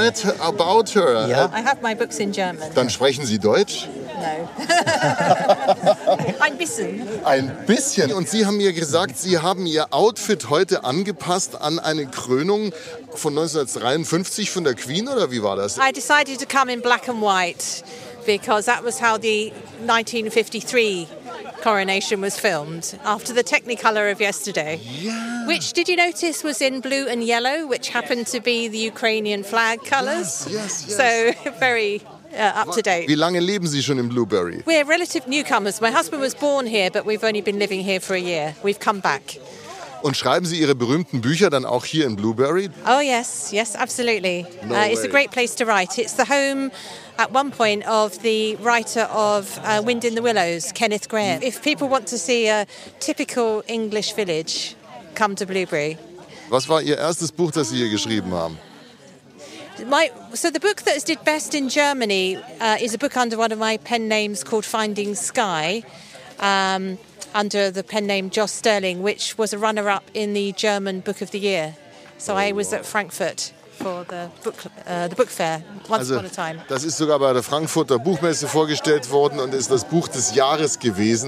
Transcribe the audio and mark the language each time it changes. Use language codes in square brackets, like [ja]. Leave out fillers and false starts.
[en] I read about her. Yeah. I have my books in German. [de] Dann sprechen Sie Deutsch. [en] No. [de] Ein bisschen. Ein bisschen. Und Sie haben mir gesagt, Sie haben Ihr Outfit heute angepasst an eine Krönung von 1953 von der Queen, oder wie war das? [en] I decided to come in black and white, because that was how the 1953 coronation was filmed, after the Technicolor of yesterday. Yeah. Which, did you notice, was in blue and yellow, which happened to be the Ukrainian flag colors? Yes, yes, yes. So, very... up to date. [de] Wie lange leben Sie schon in Blueberry? [en] We're relative newcomers. My husband was born here, but we've only been living here for a year. We've come back. [de] Und schreiben Sie Ihre berühmten Bücher dann auch hier in Blueberry? [en] Oh yes, yes, absolutely. No it's a great place to write. It's the home at one point of the writer of Wind in the Willows, Kenneth Grahame. If people want to see a typical English village, come to Blueberry. [de] Was war Ihr erstes Buch, das Sie hier geschrieben haben? [en] So the book that did best in Germany is a book under one of my pen names called Finding Sky, under the pen name Joss Sterling, which was a runner-up in the German Book of the Year. So I was at Frankfurt for the book fair once upon a time. [de] Das ist sogar bei der Frankfurter Buchmesse vorgestellt worden und ist das Buch des Jahres gewesen,